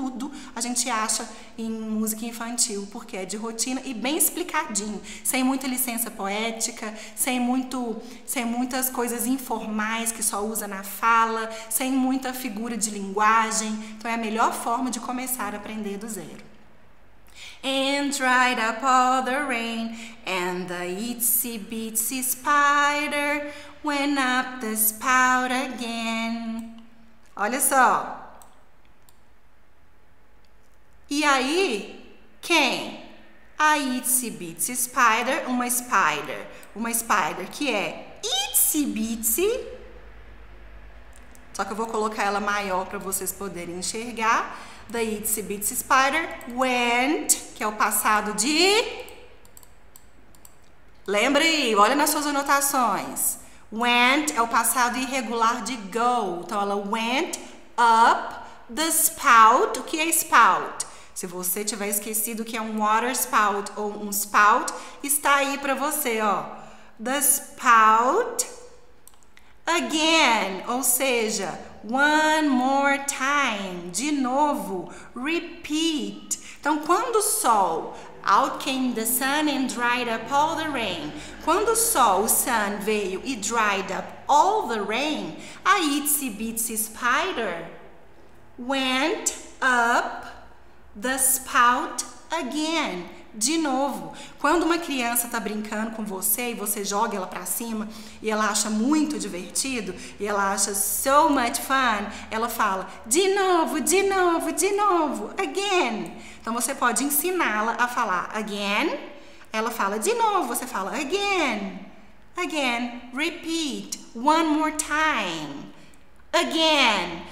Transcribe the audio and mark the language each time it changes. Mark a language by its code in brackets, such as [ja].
[pt] tudo a gente acha em música infantil, porque é de rotina e bem explicadinho, sem muita licença poética, sem muitas coisas informais que só usa na fala, sem muita figura de linguagem. Então é a melhor forma de começar a aprender do zero. [en] And dried up all the rain, and the itsy bitsy spider went up the spout again. [pt] Olha só. E aí, quem? A itsy bitsy spider, uma spider. Uma spider que é itsy bitsy. Só que eu vou colocar ela maior para vocês poderem enxergar. [en] The itsy bitsy spider went, [pt] que é o passado de... Lembra aí, olha nas suas anotações. Went é o passado irregular de go. Então, ela [en] went up the spout. [pt] O que é spout? Se você tiver esquecido que é um water spout ou um spout, está aí para você, ó. [en] The spout again, [pt] ou seja... [en] One more time, [pt] de novo, [en] repeat. [pt] Então, quando o sol, [en] out came the sun and dried up all the rain. [pt] Quando o sol, o [en] sun, [pt] veio e [en] dried up all the rain, a itsy bitsy spider went up the spout again. [pt] De novo, quando uma criança está brincando com você e você joga ela para cima e ela acha muito divertido e ela acha [en] so much fun, [pt] ela fala de novo, de novo, de novo, again. Então você pode ensiná-la a falar again, ela fala de novo, você fala [en] again, again, repeat, one more time, again.